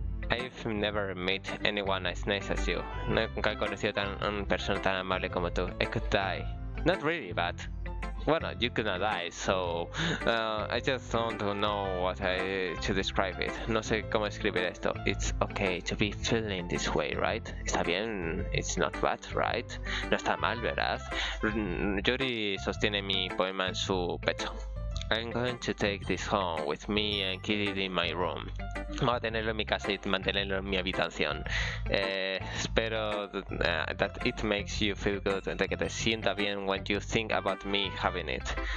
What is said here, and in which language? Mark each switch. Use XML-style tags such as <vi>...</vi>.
<en>I've never met anyone as nice as you.</en> <es>Nunca he conocido a una persona tan amable como tú.</es> <en>I could die. Not really, but... Bueno, you cannot die, so I just don't know what to describe it.</en> <es>No sé cómo escribir esto.</es> <en>It's okay to be feeling this way, right?</en> <es>Está bien,</es> <en>it's not bad, right?</en> <es>No está mal, ¿verdad? Yuri sostiene mi poema en su pecho.</es> <en>I'm going to take this home with me and keep it in my room.</en> <es>Voy a tenerlo en mi casa y mantenerlo en mi habitación. Espero</es> <en>that it makes you feel good,</en> <es>de que te sienta bien</es> <en>when you think about me having it.</en>